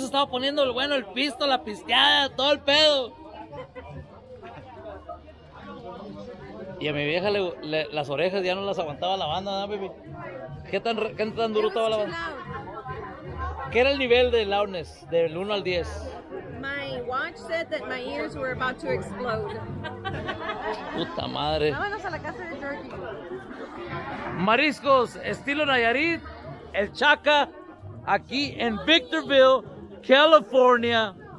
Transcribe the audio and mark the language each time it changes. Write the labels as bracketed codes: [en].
[es] Poniendo el bueno, el pisto, la pisteada, todo el pedo. Y a mi vieja le las orejas ya no las aguantaba la banda, ¿no, baby? ¿Qué tan duro estaba la banda? ¿Qué era el nivel de loudness del 1 al 10? [en] My watch said that my ears were about to explode. [es] Puta madre. Vámonos a la casa de Jerky. Mariscos, estilo Nayarit, el Chaca, aquí en Victorville, California.